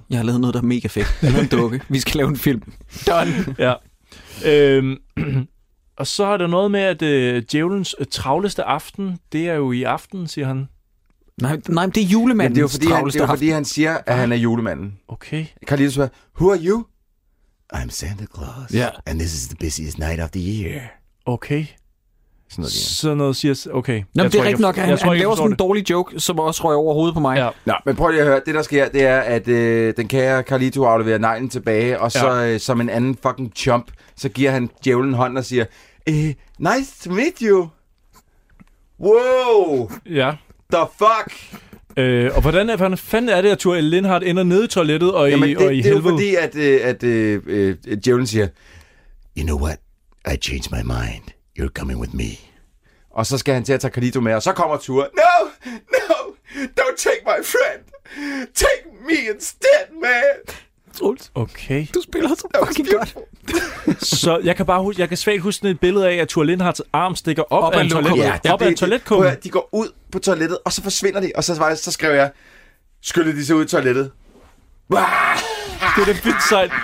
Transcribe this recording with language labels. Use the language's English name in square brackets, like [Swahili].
[Danish] Jeg har lavet noget, der er mega fedt. Den er en dukke. Vi skal lave en film. Done. Ja. Og så er der noget med, at djævelens travleste aften, det er jo i aften, siger han. Nej, men det er julemanden. Det er jo fordi, han siger, at han er julemanden. Okay. Kan lige spørge, [English] who are you? I'm Santa Claus. Yeah. And this is the busiest night of the year. [Danish] Okay. Sådan noget siger, okay. Nå, det er rigtigt nok, han laver sådan en dårlig joke, som også røg over hovedet på mig. Ja. Nå, men prøv lige at høre, det der sker, det er, at den kære Carlito afleverer neglen tilbage, og så som en anden fucking chump, så giver han djævlen hånd og siger, [English] nice to meet you. [Danish] Wow. Ja. [English] The fuck. [Danish] Og hvordan er, fanden er det, at Thurl Lindhardt ender nede i toilettet og i helvede? Det er jo fordi, at djævlen siger, [English] you know what, I changed my mind. You're coming with me. [Danish] Og så skal han til at tage Carlito med, og så kommer Ture. [English] No, no, don't take my friend. Take me instead, man. [Danish] Troels. Okay. Du spiller så fucking godt. Så jeg kan bare huske, jeg kan svagt huske et billede af, at Ture Lindhardts arm stikker op af en toiletkum. De går ud på toilettet, og så forsvinder de. Og så skrev jeg, skyllede de sig ud i toilettet. Det er da vildt sejt.